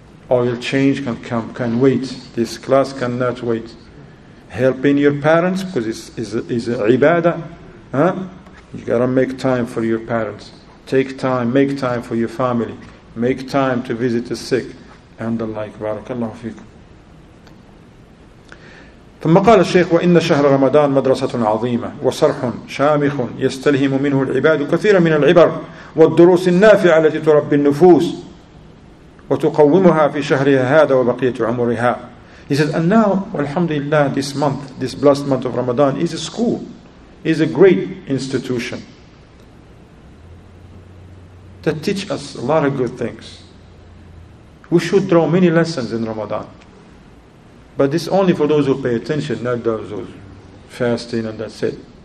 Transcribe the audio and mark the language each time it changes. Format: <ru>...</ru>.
<en>Oil change can come, can wait. This class cannot wait. Helping your parents, because it's ibadah. Huh? You gotta make time for your parents. Take time, make time for your family. Make time to visit the sick and the like.</en> <ar>Barakallahu fikum. ثم قال الشيخ وإن شهر رمضان مدرسة عظيمة وصرح شامخ يستلهم منه العباد كثيرا من العبر والدروس النافعة التي تربي النفوس وتقومها في شهرها هذا وبقية عمرها.</ar> <en>He says, and now, alhamdulillah, this month, this blessed month of Ramadan is a school, is a great institution that teach us a lot of good things. We should draw many lessons in Ramadan. But this only for those who pay attention, not those who fasting and that's it.</en>